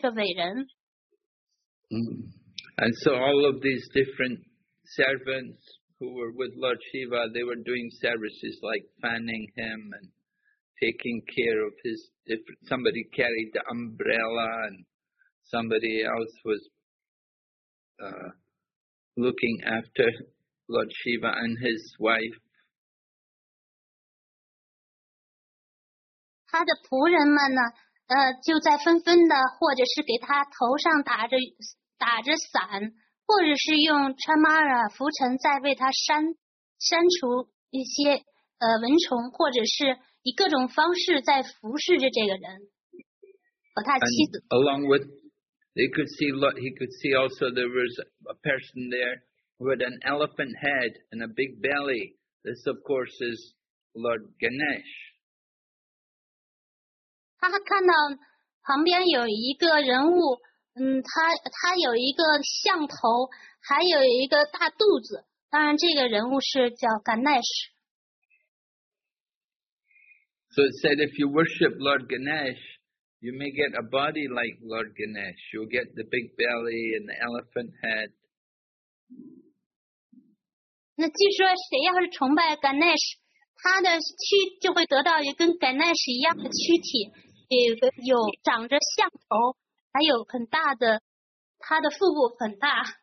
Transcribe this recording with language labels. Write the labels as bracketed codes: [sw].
[en] And so all of these different servants who were with Lord Shiva, they were doing services like fanning him and taking care of his different, somebody carried the umbrella and somebody else was looking after Lord Shiva and his wife. [zh] 他的仆人们呢，就在纷纷的，或者是给他头上打着伞，或者是用 chamara 浮尘在为他删除一些蚊虫，或者是以各种方式在服侍着这个人和他妻子。 [en] And along with, he could see also there was a person there who had an elephant head and a big belly. This, of course, is Lord Ganesh. [zh] 他看到旁边有一个人物，他有一个象头，还有一个大肚子。当然，这个人物是叫 Ganesh。 [en] So it said, if you worship Lord Ganesh, you may get a body like Lord Ganesh. You'll get the big belly and the elephant head. [zh] 那据说谁要是崇拜 Ganesh, 他的躯就会得到一个跟 Ganesh 一样的躯体，有长着象头，还有很大的，他的腹部很大。